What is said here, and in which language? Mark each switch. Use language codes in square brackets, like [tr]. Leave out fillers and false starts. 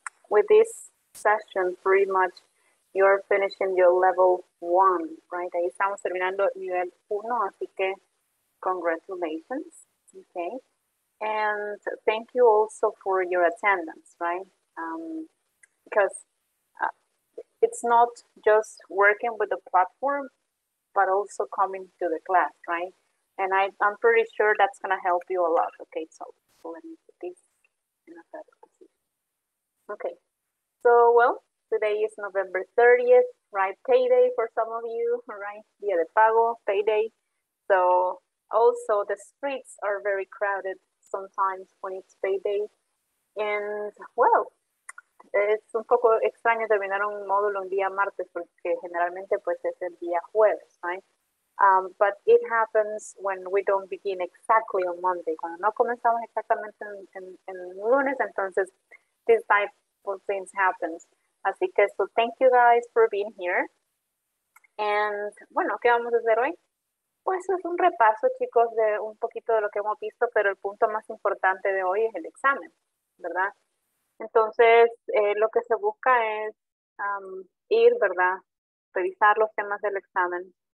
[en] With this session, pretty much, you're finishing your level one, right? [es] Ahí estamos terminando nivel uno, así que [en] congratulations, [es] okay? [en] And thank you also for your attendance, right? Because it's not just working with the platform, but also coming to the class, right? And I'm pretty sure that's gonna help you a lot, okay? So let me put this in a better position. Okay, so well, today is November 30th, right? Payday for some of you, right? [es] Dia de pago, [en] payday. So also the streets are very crowded sometimes when it's payday. And well, [es] es un poco extraño terminar un módulo un día martes porque generalmente pues es el día jueves, right? [en] But it happens when we don't begin exactly on Monday. [es] Cuando no comenzamos exactamente en lunes, entonces [en] this type of things happens. [es] Así que [en] so thank you guys for being here. [es] And bueno, ¿qué vamos a hacer hoy? Pues es un repaso, chicos, de un poquito de lo que hemos visto, pero el punto más importante de hoy es el examen, ¿verdad? Entonces, lo que se busca es ir, ¿verdad?, revisar los temas del examen.